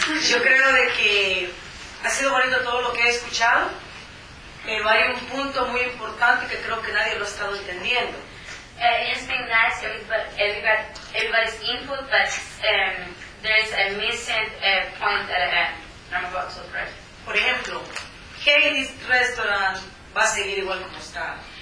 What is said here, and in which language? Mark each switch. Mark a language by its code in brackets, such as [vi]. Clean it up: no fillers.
[es] Yo creo de que ha sido bonito todo lo que he escuchado, pero hay un punto muy importante que creo que nadie lo ha estado entendiendo. [en] It has been nice, everybody's input, but there is a missing point that I'm about to address. [es] Por ejemplo, Hades Restaurant va a seguir igual como está.